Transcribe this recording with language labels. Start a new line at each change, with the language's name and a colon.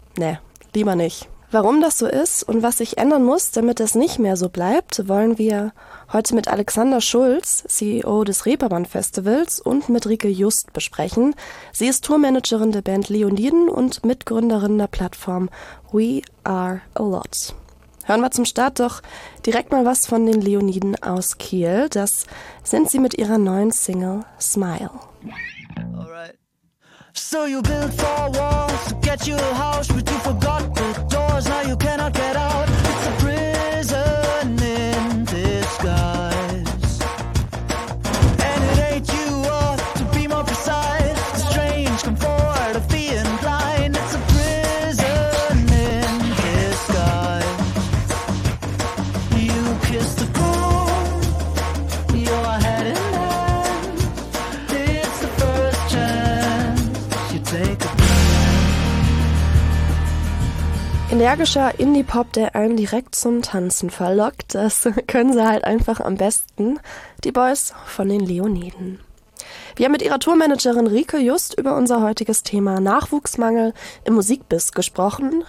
German: Nee, lieber nicht. Warum das so ist und was sich ändern muss, damit das nicht mehr so bleibt, wollen wir heute mit Alexander Schulz, CEO des Reeperbahn Festivals, und mit Rike Just besprechen. Sie ist Tourmanagerin der Band Leoniden und Mitgründerin der Plattform We Are A Lot. Hören wir zum Start doch direkt mal was von den Leoniden aus Kiel. Das sind sie mit ihrer neuen Single Smile.
English: Alright. So you build four walls to get you a house, but you forgot the doors, now you cannot get out. It's a prison in disguise. And it ain't you or, to be more precise, the strange comfort of being blind. It's a prison in disguise. You kiss the ground, you're head in hand. It's the first chance you take.
German: Energischer Indie-Pop, der einen direkt zum Tanzen verlockt, das können sie halt einfach am besten, die Boys von den Leoniden. Wir haben mit ihrer Tourmanagerin Rike Just über unser heutiges Thema Nachwuchsmangel im Musikbiss gesprochen.